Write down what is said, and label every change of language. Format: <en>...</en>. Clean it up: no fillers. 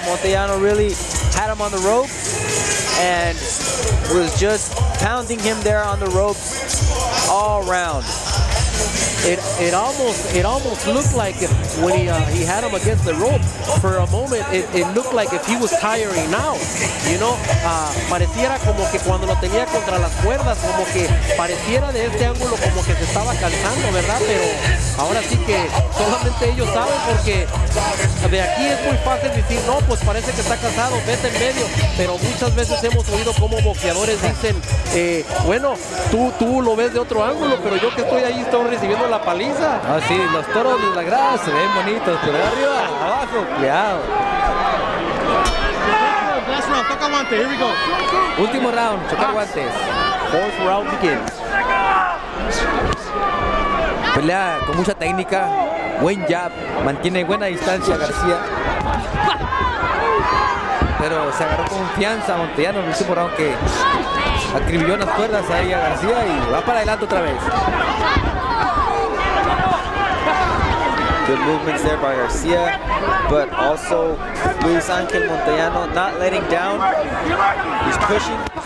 <en>Montellano really had him on the ropes and was just pounding him there on the ropes all round. It almost looked like when he had him against the rope for a moment, it looked like if he was tiring now, you know.</en> <es>Pareciera como que cuando lo tenía contra las cuerdas, como que pareciera de este ángulo como que se estaba cansando, ¿verdad? Pero ahora sí que solamente ellos saben, porque de aquí es muy fácil decir, no, pues parece que está cansado, vete en medio. Pero muchas veces hemos oído como boxeadores dicen, bueno, tú lo ves de otro ángulo, pero yo que estoy ahí estoy recibiendo la paliza. Así, los toros de la grada se ven bonitos, pero arriba, abajo, cuidado.</es> <en>Last round,</en> <es>toca guantes,</es> <en>here we go.</en> <es>Último round, toca guantes.</es> <en>Fourth round begins.</en> <es>Pelea con mucha técnica, buen jab, mantiene buena distancia García. Pero se agarró confianza Montellano en el último round, que acribilló unas cuerdas ahí a García y va para adelante otra vez.</es> <en>Good movements there by García, but also Luis Ángel Montellano not letting down. He's pushing.</en>